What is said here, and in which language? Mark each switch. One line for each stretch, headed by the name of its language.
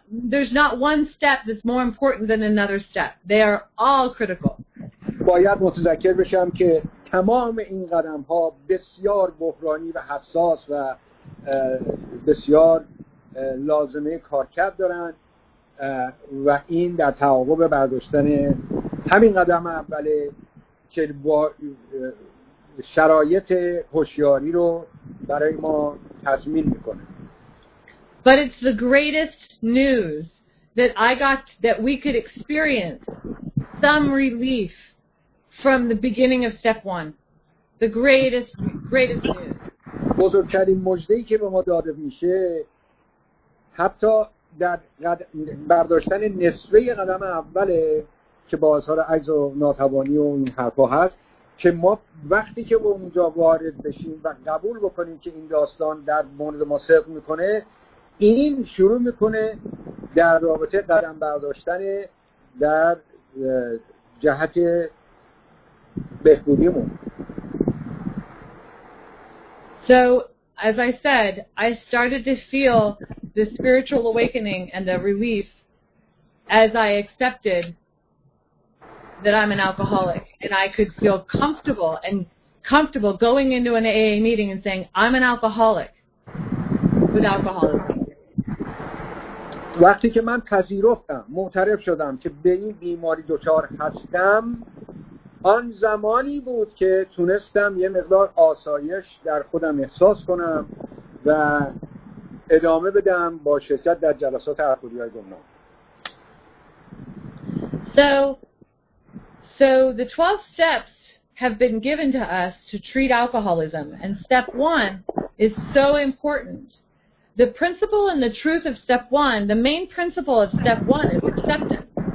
English: there's not one step that's more important than another step. They are all critical.
Persian: باید متذکر بشم که تمام این قدم‌ها بسیار بحرانی و حساس و بسیار لازمه کارکرد دارن و این در تعاقب برداشتن همین قدم اوله که با شرایط هوشیاری رو برای ما تضمین میکنه.
English: But it's the greatest news that I got, that we could experience some relief from the beginning of step one. The greatest news.
Persian: بزرگترین مژده‌ای که به ما داده میشه، حتی در برداشتن نصفه قدم اوله که با اثر عجز و ناتوانی و این حرفا هست، که ما وقتی که به اونجا وارد بشیم و قبول بکنیم که این داستان در مورد ما صدق میکنه، این شروع میکنه در رابطه قدم برداشتن در جهت بهبودیمون.
English: So, as I said, I started to feel the spiritual awakening and the relief as I accepted that I'm an alcoholic, and I could feel comfortable going into an AA meeting and saying, I'm an alcoholic, with alcoholism.
Persian: وقتی که من پذیرفتم، معترف شدم که به این بیماری دچار هستم، آن زمانی بود که تونستم یه مقدار آسایش در خودم احساس کنم و ادامه بدم با شرکت در جلسات الکلی‌های گمنام.
English: So the 12 steps have been given to us to treat alcoholism, and step one is so important. The principle and the truth of step one, the main principle of step one, is acceptance.